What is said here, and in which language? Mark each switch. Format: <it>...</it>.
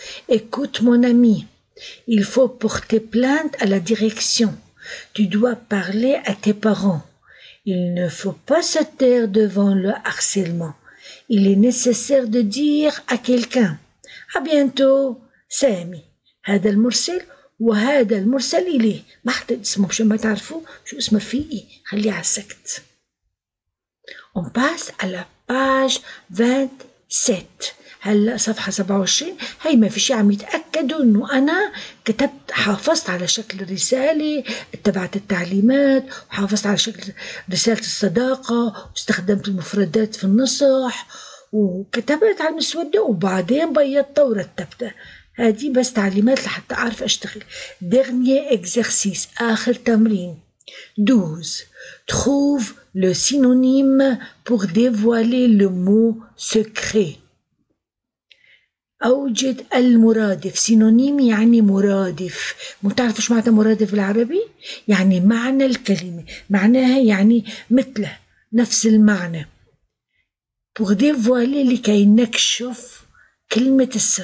<fr>Écoute mon ami, il faut porter plainte à la direction. Tu dois parler à tes parents. Il ne faut pas se taire devant le harcèlement. Il est nécessaire de dire à quelqu'un. À bientôt, Sami.</fr> <ar>هذا المرسل وهذا المرسل إليه. ما حتى اسمه بشو ما تعرفوا شو اسمه رفيقي. خليه على السكت.</ar> <fr>On passe à la page 27.</fr> <ar>هلا صفحة 27. هاي ما في شيء عم يتأكدوا إنه أنا كتبت حافظت على شكل الرسالة، اتبعت التعليمات، وحافظت على شكل رسالة الصداقة، واستخدمت المفردات في النصح، وكتبت على المسودة، وبعدين بيضت ورتبتها. هذه بس تعليمات لحتى أعرف أشتغل.</ar> <fr>Dernier exercice.</fr> <ar>آخر تمرين.</ar> <fr>12. Trouve le synonyme pour dévoiler le mot secret.</fr> <ar>أوجد المرادف. Synonyme يعني مرادف. متعرف شو معنى مرادف بالعربي؟ يعني معنى الكلمة. معناها يعني مثله. نفس المعنى.</ar> <fr>Pour dévoiler</fr> <ar>لكي نكشف كلمة السر.</ar>